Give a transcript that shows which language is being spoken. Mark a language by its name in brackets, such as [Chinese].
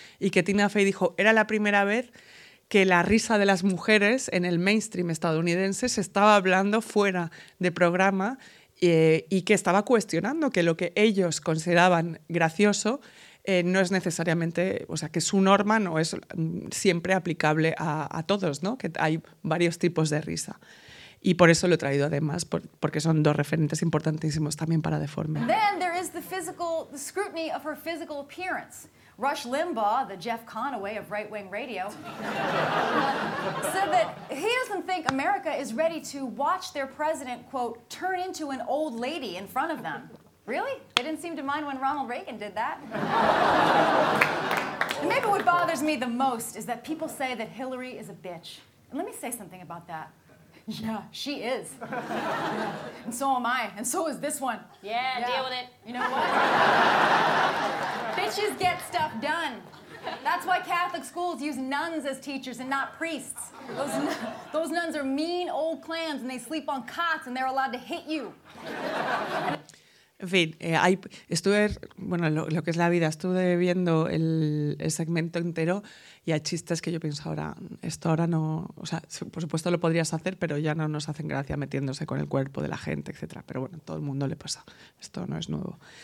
[Spanish] Y que Tina Fey dijo, era la primera vez que la risa de las mujeres en el mainstream estadounidense se estaba hablando fuera de programa y que estaba cuestionando que lo que ellos consideraban gracioso no es necesariamente, o sea, que su norma no es siempre aplicable a todos, ¿no? Que hay varios tipos de risa. Y por eso lo he traído además, porque son dos referentes importantísimos también para Deforme. [English] Then there is the physical, the scrutiny of her physical appearance. Rush Limbaugh, the Jeff Conaway of right-wing radio, said that he doesn't think America is ready to watch their president, quote, turn into an old lady in front of them. Really? They didn't seem to mind when Ronald Reagan did that. Maybe what bothers me the most is that people say that Hillary is a bitch. And let me say something about that. Yeah, she is. Yeah. And so am I. And so is this one. Yeah, yeah. Deal with it. You know what? Bitches get stuff done. That's why Catholic schools use nuns as teachers and not priests. Those nuns are mean old clams and they sleep on cots and they're allowed to hit you. [Spanish] En fin, estuve viendo el segmento entero y hay chistes que yo pienso ahora, esto ahora no, o sea, por supuesto lo podrías hacer, pero ya no nos hacen gracia metiéndose con el cuerpo de la gente, etc. Pero bueno, todo el mundo le pasa, esto no es nuevo.